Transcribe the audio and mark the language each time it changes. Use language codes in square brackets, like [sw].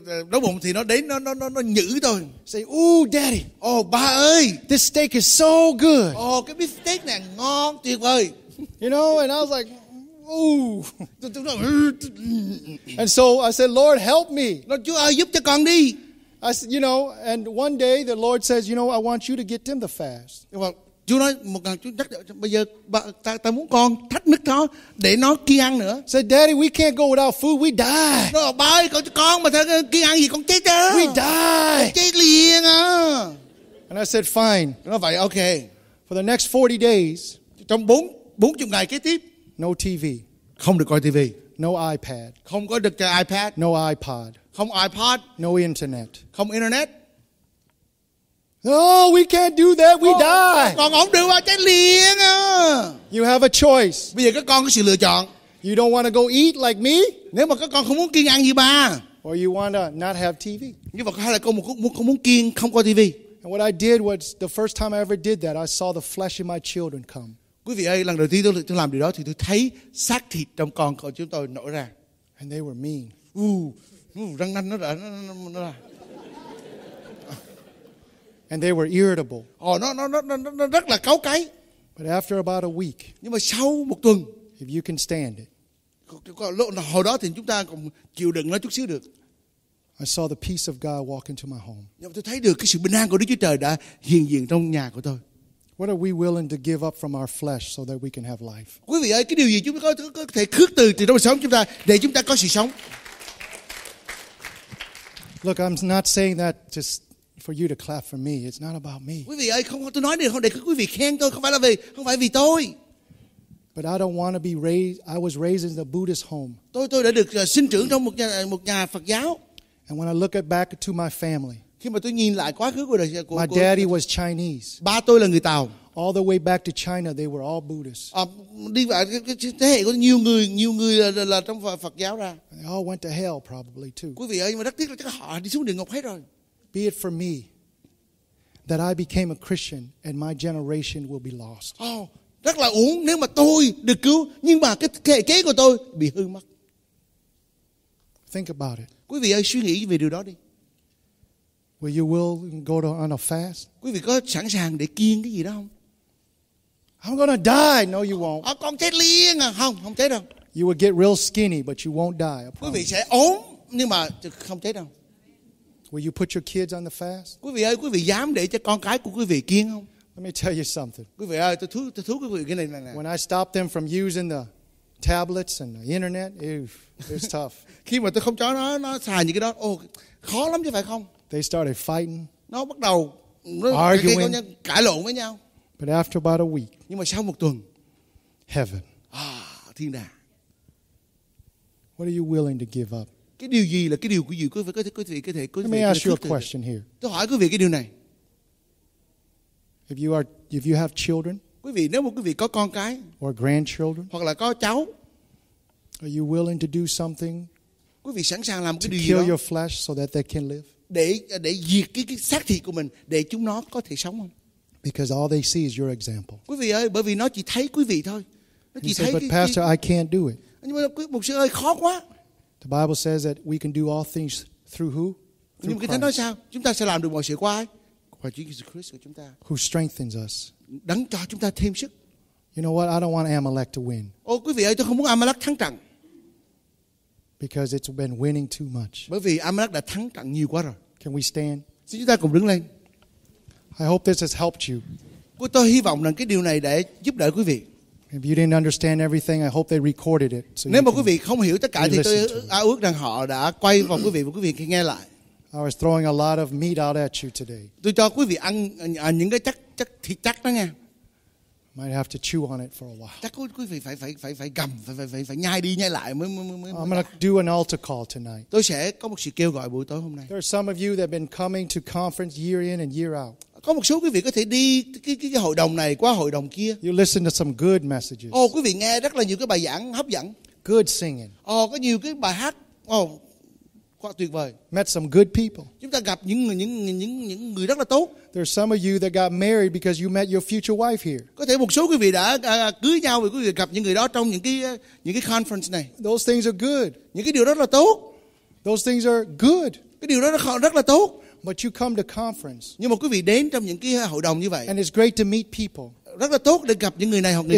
[vi] đói bụng thì nó đến nó nhử tôi. [en] Say, ooh, daddy. [vi] Oh, ba ơi. [en] This steak is so good. [vi] Oh, cái beef steak này ngon tuyệt vời. [en] You know, and I was like, ooh. And so I said, Lord, help me. [vi] Lord, Chúa ơi, giúp cho con đi. [en] I said, you know, and one day the Lord says, you know, I want you to get them the fast. [vi] Chúa nói một lần, Chúa nhắc bây giờ ta muốn con thách nước nó để nó kia ăn nữa. [en] Say, daddy, we can't go without food, we die. [vi] Nó bảo, ba ơi, con mà thằng kia ăn gì con chết đó. [en] We die. [vi] Con chết liền à. [en] And I said, fine. [vi] Nó vậy, okay. [en] For the next 40 days. [vi] Trong 40 ngày kế tiếp. [en] No TV. [vi] Không được coi TV. [en] No iPad. [vi] Không có được cái iPad. [en] No iPod. [vi] Không iPod. [en] No internet. [vi] Không internet. [en] Oh, we can't do that. We die. [vi] Con không được mà chết liền à. [en] You have a choice. [vi] Bây giờ các con có sự lựa chọn. [en] You don't want to go eat like me. [vi] Nếu mà các con không muốn kiêng ăn như ba. [en] Or you want to not have TV. [vi] Nhưng mà hay là con không muốn kiêng không có TV. [en] And what I did was the first time I ever did that, I saw the flesh in my children come. [vi] Quý vị ơi, lần đầu tiên tôi làm điều đó thì tôi thấy xác thịt trong con của chúng tôi nổi ra. [en] And they were mean. [vi] Răng nanh nó ra. [en] And they were irritable. [vi] Nó rất là cáu cấy. [en] But after about a week. [vi] Nhưng mà sau một tuần. [en] If you can stand it. [vi] Hồi đó thì chúng ta còn chịu đựng nó chút xíu được. [en] I saw the peace of God walk into my home. [vi] Nhưng mà tôi thấy được cái sự bình an của Đức Chúa Trời đã hiện diện trong nhà của tôi. [en] What are we willing to give up from our flesh so that we can have life? [vi] Quý vị ơi, cái điều gì chúng ta có thể khước từ trong đời sống chúng ta để chúng ta có sự sống? [en] Look, I'm not saying that just for you to clap for me. It's not about me. [vi] Quý vị ơi, không, tôi nói điều không để quý vị khen tôi, không phải vì tôi. [en] But I don't want to be raised. I was raised in a Buddhist home. [vi] Tôi đã được sinh trưởng trong một nhà Phật giáo. [en] And when I look back to my family. [vi] Khi mà tôi nhìn lại quá khứ của đời của [en] my daddy was Chinese. [vi] Ba tôi là người Tàu. [en] All the way back to China, they were all Buddhists. [vi] Đi vào thế hệ có nhiều người là trong Phật giáo ra. [en] And they all went to hell probably too. [vi] Quý vị ơi, nhưng mà rất tiếc là chắc họ đi xuống địa ngục hết rồi. [en] Be it for me that I became a Christian and my generation will be lost. [vi] Oh, rất là uổng nếu mà tôi được cứu nhưng mà cái thế hệ của tôi bị hư mất. [en] Think about it. [vi] Quý vị ơi, suy nghĩ về điều đó đi. [en] Will you will go to on a fast? [vi] Quý vị có sẵn sàng để kiêng cái gì đó không? [en] I'm gonna die. No, you won't. [vi] Con chết liền à? Không chết đâu. [en] You will get real skinny, but you won't die. [vi] Quý vị sẽ ốm nhưng mà không chết đâu. [en] Will you put your kids on the fast? [vi] Quý vị ơi, quý vị dám để cho con cái của quý vị kiêng không? [en] Let me tell you something. [vi] Quý vị ơi, tôi thú quý vị cái này nè. [en] When I stop them from using the tablets and the internet, it's tough. [vi] Khi mà tôi không cho nó xài những cái đó, khó lắm chứ phải không? [en] They started fighting. [vi] Nó bắt đầu [en] arguing, [vi] cãi lộn với nhau. [en] But after about a week. [vi] Nhưng mà sau một tuần. [en] Heaven. [vi] Thiên đàng. [en] What are you willing to give up? [vi] Cái điều gì là cái điều của gì quý vị có thể. [en] Let me ask you a question here. [vi] Tôi hỏi quý vị cái điều này. [en] If you have children. [vi] Quý vị, nếu mà quý vị có con cái. [en] Or grandchildren. [vi] Hoặc là có cháu. [en] Are you willing to do something? [vi] Quý vị sẵn sàng làm cái điều gì đó? [en] To kill your flesh so that they can live. [vi] Để diệt cái xác thịt của mình để chúng nó có thể sống không? [en] Because all they see is your example. [vi] Quý vị ơi, bởi vì nó chỉ thấy quý vị thôi. Nó chỉ thấy [en] but pastor, I can't do it. [vi] Nhưng mà quý mục sư ơi, khó quá. [en] The Bible says that we can do all things through who? Through [vi] nhưng mà Christ. Nói sao? Chúng ta sẽ làm được mọi sự qua ai? Qua Chúa Jesus Christ của chúng ta. [en] Who strengthens us? [vi] Đấng cho chúng ta thêm sức. [en] You know what? I don't want Amalek to win. [vi] Quý vị ơi, tôi không muốn Amalek thắng trận. [en] Because it's been winning too much. [vi] Bởi vì Amalek đã thắng trận nhiều quá rồi. [en] Can we stand? [vi] Xin chúng ta cùng đứng lên. [en] I hope this has helped you. [vi] Tôi hy vọng rằng cái điều này đã giúp đỡ quý vị. [en] If you didn't understand everything, I hope they recorded it. So [vi] nếu mà quý vị không hiểu tất cả thì tôi ước rằng họ đã quay vào quý vị nghe lại. [en] I was throwing a lot of meat out at you today. [vi] Tôi cho quý vị ăn những cái chắc thịt chắc đó nghe. [en] Might have to chew on it for a while. [vi] Chắc quý vị phải gầm, phải nhai đi nhai lại mới. [en] I'm gonna do an altar call tonight. [vi] Tôi sẽ có một sự kêu gọi buổi tối hôm nay. [en] There are some of you that have been coming to conference year in and year out. [vi] Có một số quý vị có thể đi cái hội đồng này qua hội đồng kia. [en] You listen to some good messages. [vi] Quý vị nghe rất là nhiều cái bài giảng hấp dẫn. [en] Good singing. [vi] Có nhiều cái bài hát quá tuyệt vời. [en] Met some good people. [vi] Chúng ta gặp những người rất là tốt. [en] There are some of you that got married because you met your future wife here. [vi] Có thể một số quý vị đã cưới nhau vì quý vị gặp những người đó trong những cái conference này. [en] Those things are good. [vi] Những cái điều đó rất là tốt. [en] Those things are good. [vi] Cái điều đó rất là tốt. [en] But you come to conference. [vi] Nhưng mà quý vị đến trong những cái hội đồng như vậy. [en] And it's great to meet people. [vi] Rất là tốt để gặp những người này hoặc người